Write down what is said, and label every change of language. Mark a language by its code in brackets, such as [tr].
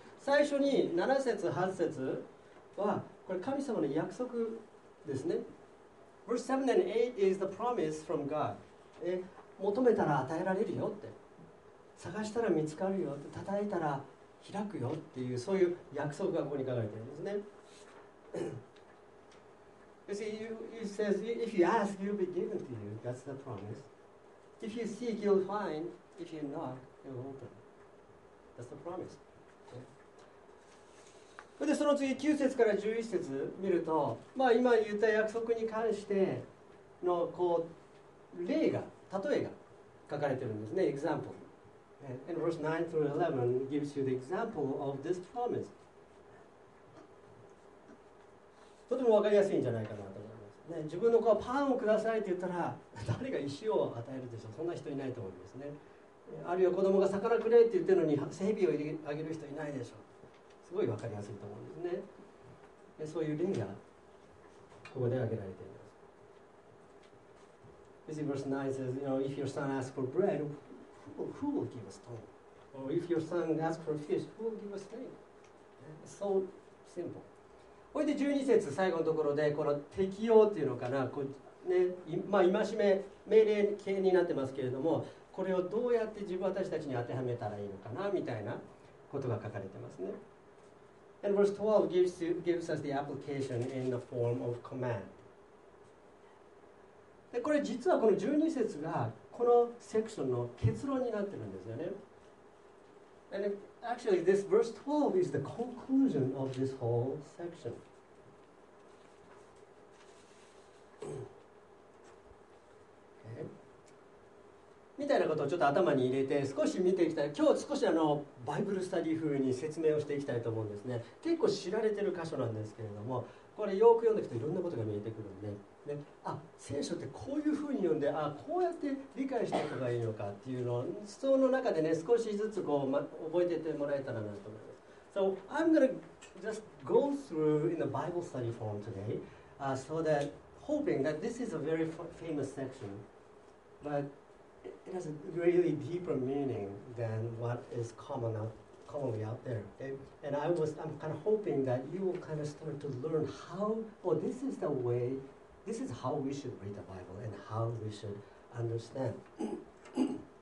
[ja] 最初に7節8節はこれ神様の約束ですね。 [en] Verse 7 and 8 is the promise from God. [ja] 求めたら与えられるよって、探したら見つかるよって、叩いたら開くよっていう、そういう約束がここに書かれてるんですね。 [en] You see, you says if you ask, you'll be given to you. That's the promise. If you seek, you'll find. If you knock, you'll open. That's the promise. [ja] でその次9節から11節見ると、まあ、今言った約束に関してのこう例が、例えが書かれているんですね。 [en] Example. And verse 9 through 11 gives you the example of this promise. [ja] とても分かりやすいんじゃないかなと思います、ね。自分の子はパンをくださいって言ったら、誰が石を与えるでしょう。そんな人いないと思いますね。あるいは子供が魚くれって言ってるのに、蛇をあげる人いないでしょう。すごい分かりやすいと思うんですね。そういう例がここで挙げられています。 [en] This verse 9 says, you know, if your son asks for bread, who will give a stone? Or if your son asks for fish, who will give a snake? It's so simple. [ja] これで12節最後のところで、この適用っていうのかな、こうね、まあ戒め、命令形になってますけれども、これをどうやって自分私たちに当てはめたらいいのかなみたいなことが書かれてますね。 [en] And verse 12 gives us the application in the form of command. [ja] でこれ実はこの12節がこのセクションの結論になってるんですよね。 [en] And actually this verse 12 is the conclusion of this whole section. [ja] みたいなことをちょっと頭に入れて少し見ていきたい。今日少しあのバイブルスタディ風に説明をしていきたいと思うんですね。結構知られてる箇所なんですけれども、これよく読んでいくといろんなことが見えてくるんで、ね、あ、聖書ってこういう風に読んで、あ、こうやって理解していくのがいいのかっていうのを思想の中でね、少しずつこう、ま、覚えていってもらえたらなと思います。 [en] So I'm going to just go through in the Bible study form today、so that hoping that this is a very famous section butIt has a really deeper meaning than what is commonly out there. And I'm kind of hoping that you will kind of start to learn how, well, this is the way, this is how we should read the Bible and how we should understand.